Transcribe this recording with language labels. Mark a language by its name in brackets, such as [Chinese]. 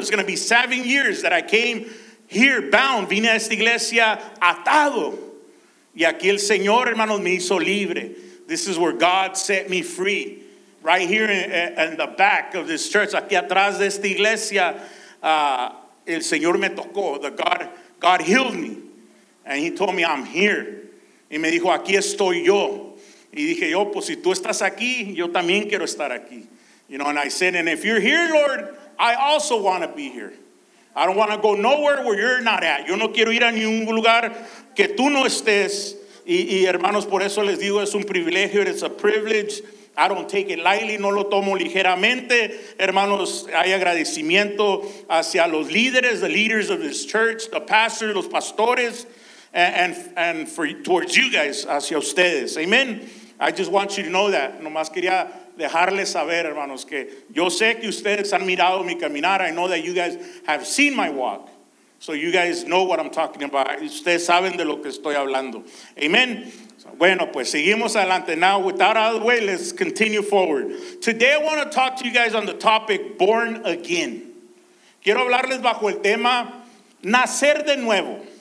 [English] It's going to be 7 years that I came here bound. [Spanish] Vine a esta iglesia atado. Y aquí el Señor, hermanos, me hizo libre. [English] This is where God set me free. Right here in the back of this church, [Spanish] aquí atrás de esta iglesia, el Señor me tocó. [English] God healed me. And he told me, I'm here. [Spanish] Y me dijo, aquí estoy yo. Y dije, yo, pues si tú estás aquí, yo también quiero estar aquí. [English] You know, and I said, and if you're here, Lord, I also want to be here. I don't want to go nowhere where you're not at. [Spanish] Yo no quiero ir a ningún lugar que tú no estés. Y hermanos, por eso les digo, es un privilegio. [English] It's a privilege. I don't take it lightly. [Spanish] No lo tomo ligeramente. Hermanos, hay agradecimiento hacia los líderes, [English] the leaders of this church, the pastors, [Spanish] los pastores. [English] And towards you guys, [Spanish] hacia ustedes. [English] Amen. I just want you to know that. [Spanish] Nomás quería dejarles saber, hermanos, que yo sé que ustedes han mirado mi caminar. [English] I know that you guys have seen my walk. So you guys know what I'm talking about. [Spanish] Ustedes saben de lo que estoy hablando. Amen. [English] So, [Spanish] bueno, pues seguimos adelante. [English] Now, without out of the way, let's continue forward. Today I want to talk to you guys on the topic, born again. [Spanish] Quiero hablarles bajo el tema, nacer de nuevo.